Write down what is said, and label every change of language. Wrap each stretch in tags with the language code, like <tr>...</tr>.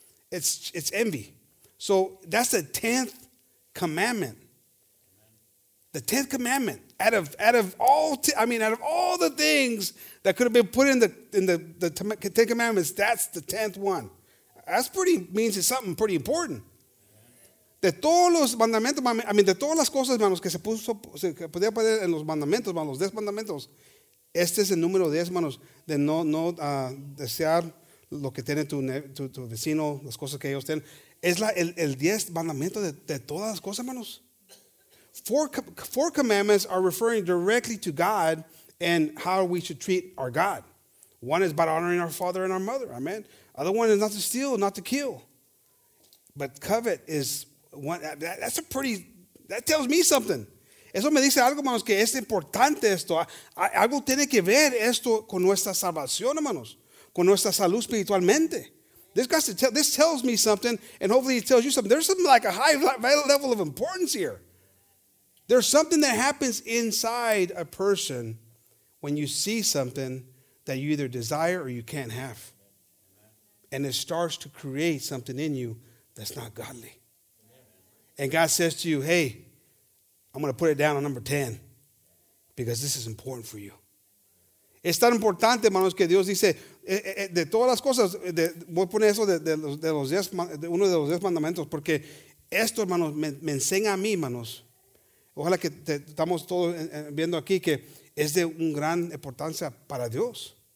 <en>It's envy. So that's the 10th commandment. The 10th commandment. Out of all the things that could have been put in the 10 commandments, that's the 10th one. That's pretty, means it's something pretty important.</en> <es>De todos los mandamientos, de todas las cosas, hermanos, que se podía poner en los mandamientos, hermanos, los 10 mandamientos, este es el número 10, hermanos, de no desear lo que tiene tu vecino, las cosas que ellos tienen. Es el 10 mandamiento de todas las cosas, hermanos.</es> <en>Four commandments are referring directly to God and how we should treat our God. One is about honoring our father and our mother. Amen. Other one is not to steal, not to kill. But covet is one. That tells me something.</en> <es>Eso me dice algo, hermanos, que es importante esto. Algo tiene que ver esto con nuestra salvación, hermanos. Con nuestra salud espiritualmente.</es> <en>This tells me something, and hopefully it tells you something. There's something like a high level of importance here. There's something that happens inside a person when you see something that you either desire or you can't have. And it starts to create something in you that's not godly. And God says to you, hey, I'm going to put it down on number 10 because this is important for you.</en> <es>Es tan importante, hermanos, que Dios dice, de todas las cosas, voy a poner eso uno de los 10 mandamientos porque esto, hermanos, me enseña a mí, hermanos. Ojalá que estamos todos viendo aquí que es de un gran importancia para Dios.</es>